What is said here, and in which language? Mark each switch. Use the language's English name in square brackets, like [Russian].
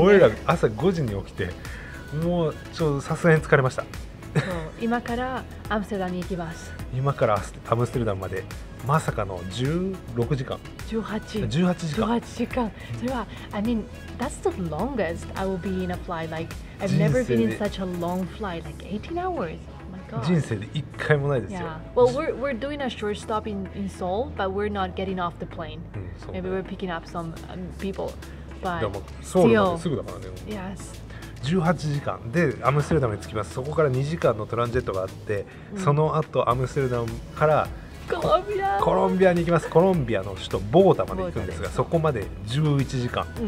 [Japanese] 俺ら朝5時に起きて、もうちょっとさすがに疲れました。そう、今からアムステルダムに行きます。今からアムステルダムまでまさかの16時間。 18時間。それは、うん、 [English] I mean, that's the longest I will be in a flight. Like, I've never been in such a long flight. Like, 18 hours. Oh my god. [Japanese] 人生で一回もないですよ。 [English] Yeah. Well, we're doing a short stop in Seoul, but we're not getting off the plane.、うん、Maybe we're picking up some people. But [Japanese] でもソウルまですぐだからね。 [English] Yes. [Japanese] 18時間でアムステルダムに着きます。そこから2時間のトランジェットがあって、うん、その後アムステルダムからコロンビアに行きます。コロンビアの首都ボゴタまで行くんですが、そこまで11時間。